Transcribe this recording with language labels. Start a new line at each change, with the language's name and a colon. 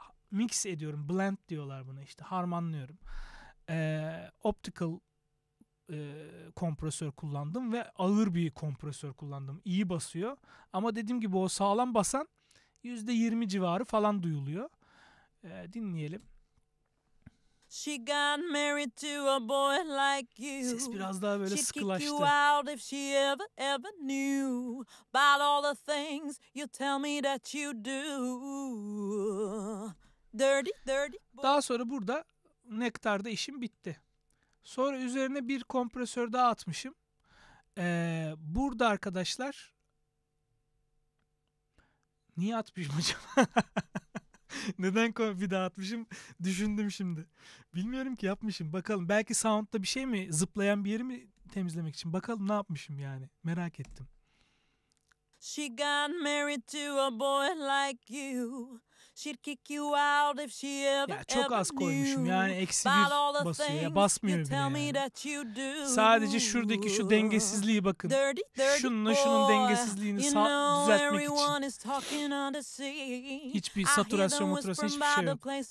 Turkish: Mix ediyorum, blend diyorlar buna işte, harmanlıyorum. Optical kompresör kullandım ve ağır bir kompresör kullandım. İyi basıyor ama dediğim gibi o sağlam basan %20 civarı falan duyuluyor. Dinleyelim.
English: She got married to a boy like you.
Turkish: Ses biraz daha böyle
English: She'd
Turkish: sıkılaştı.
English: She'd kick you out if she ever, ever knew about all the things you tell me that you do. Dirty, dirty boy.
Turkish: Daha sonra burada Nektar'da işim bitti. Sonra üzerine bir kompresör daha atmışım. Burada arkadaşlar... Niye atmışım acaba? Neden bir daha atmışım? Düşündüm şimdi. Bilmiyorum ki yapmışım. Bakalım belki sound'da bir şey mi? Zıplayan bir yeri mi temizlemek için? Bakalım ne yapmışım yani. Merak ettim.
English: She got married to a boy like you. She'd kick you out if she ever knew.
Turkish: Ya çok az koymuşum. Yani eksi bir basıyor. Ya basmıyor bile yani. Sadece şuradaki şu dengesizliği bakın. Şununla şunun dengesizliğini düzeltmek için. Hiçbir saturasyon motorası hiçbir şey yok.